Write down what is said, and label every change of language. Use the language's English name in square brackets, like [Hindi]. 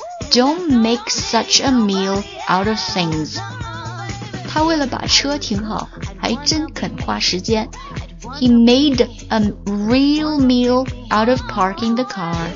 [English] Don't make such a meal out of things. [Chinese] 他为了把车停好，还真肯花时间。 [English] He made a real meal out of parking the car.